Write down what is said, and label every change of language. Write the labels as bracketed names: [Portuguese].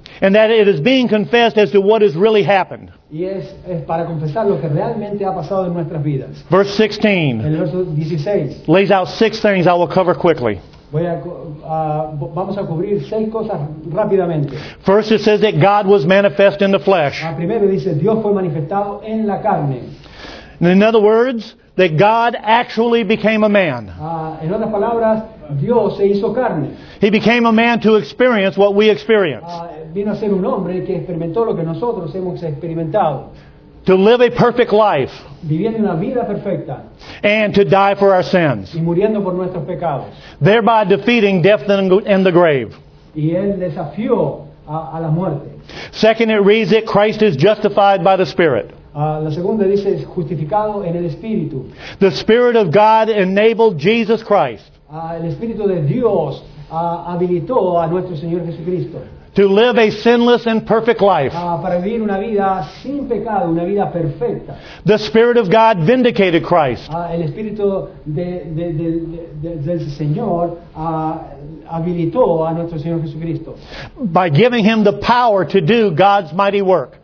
[English] And that it is being confessed as to what has really happened. [Spanish] Y es para confesar lo que realmente ha pasado en nuestras vidas. [English] Verse 16. [Spanish] El verso 16. [English] Lays out six things I will cover quickly. [Spanish] Vamos a cubrir seis cosas rápidamente. [English] First it says that God was manifest in the flesh. [Spanish] Primero dice Dios fue manifestado en la carne. [English] In other words, that God actually became a man. [Spanish] En otras palabras, Dios se hizo carne. [English] He became a man to experience what we experience. [Spanish] Vino a ser un hombre que experimentó lo que nosotros hemos experimentado. [English] To live a perfect life. [Spanish] Viviendo una vida perfecta. [English] And to die for our sins. [Spanish] Y muriendo por nuestros pecados. [English] Thereby defeating death and the grave. [Spanish] Y él desafió a la muerte. [English] Second, it reads that Christ is justified by the Spirit. [Spanish] La segunda dice es justificado en el Espíritu. [English] The Spirit of God enabled Jesus Christ. [Spanish] El Espíritu de Dios habilitó a nuestro Señor Jesucristo. [English] To live a sinless and perfect life. [Spanish] Para vivir una vida sin pecado, una vida perfecta. [English] The Spirit of God vindicated Christ. [Spanish] El Espíritu del Señor habilitó a nuestro Señor Jesucristo. [English] By giving him the power to do God's mighty work.